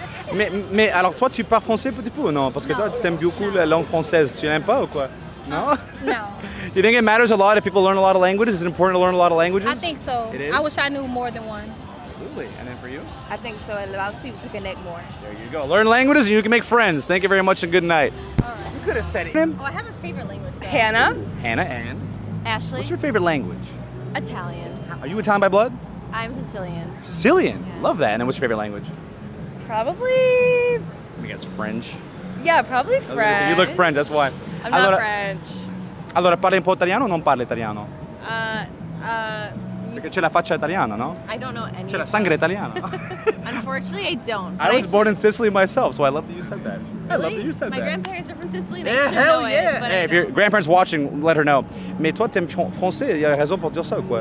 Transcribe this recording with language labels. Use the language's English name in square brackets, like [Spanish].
[French] Mais alors toi, tu parles français petit peu ou non? Parce que toi, t'aimes beaucoup la langue française. Tu n'aimes pas ou quoi? [English] No? No. Do you think it matters a lot if people learn a lot of languages? Is it important to learn a lot of languages? I think so. It is? I wish I knew more than one. And then for you? I think so. It allows people to connect more. There you go. Learn languages and you can make friends. Thank you very much and good night. Right. You could have said it. Oh, I have a favorite language. Though. Hannah. Hannah and? Ashley. What's your favorite language? Italian. Are you Italian by blood? I'm Sicilian. Sicilian? Yeah. Love that. And then what's your favorite language? Probably... I guess French. Yeah, probably French. You look French, that's why. I'm not French. [Italian] Allora, parli un po' italiano o non parli italiano? Perché c'è la faccia italiana, no? [English] I don't know any. [Italian] C'è la sangre italiana. [English] Unfortunately, I don't. I was born in Sicily myself, so I love that you said that. Really? I love that you said my that. My grandparents are from Sicily, yeah, they should know yeah. it. But hey, if your grandparents watching, let her know. [French] Mais toi, t'aimes français, y'a raison pour dire ça, quoi?